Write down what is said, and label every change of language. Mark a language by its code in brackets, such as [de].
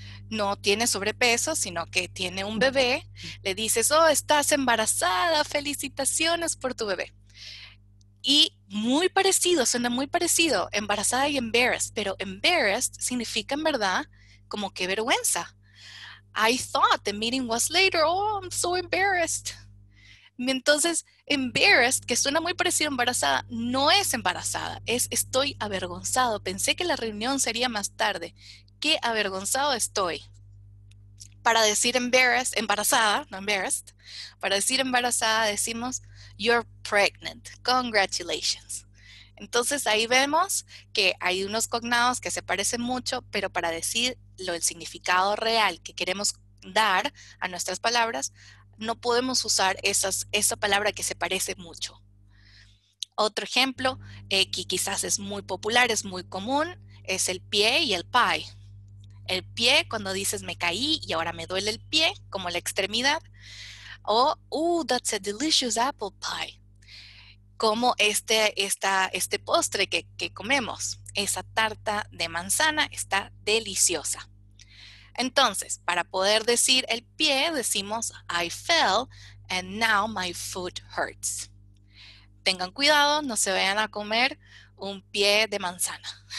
[es] no tiene sobrepeso, sino que tiene un bebé, le dices, oh, estás embarazada, felicitaciones por tu bebé. Y muy parecido, suena muy parecido, embarazada y embarrassed, pero embarrassed significa en verdad como que vergüenza. [en] I thought the meeting was later, oh, I'm so embarrassed. [es] Entonces, embarrassed, que suena muy parecido a embarazada, no es embarazada, es estoy avergonzado, pensé que la reunión sería más tarde. Qué avergonzado estoy. Para decir embarrassed, embarazada, no embarrassed, para decir embarazada decimos [en] you're pregnant, congratulations. [es] Entonces ahí vemos que hay unos cognados que se parecen mucho, pero para decir el significado real que queremos dar a nuestras palabras, no podemos usar esa palabra que se parece mucho. Otro ejemplo que quizás es muy popular, es muy común, es el pie y el pie. El pie, cuando dices me caí y ahora me duele el pie, como la extremidad. [en] O, that's a delicious apple pie. [es] Como este postre que comemos. Esa tarta de manzana está deliciosa. Entonces, para poder decir el pie, decimos [en] I fell and now my foot hurts. [es] Tengan cuidado, no se vayan a comer un pie de manzana.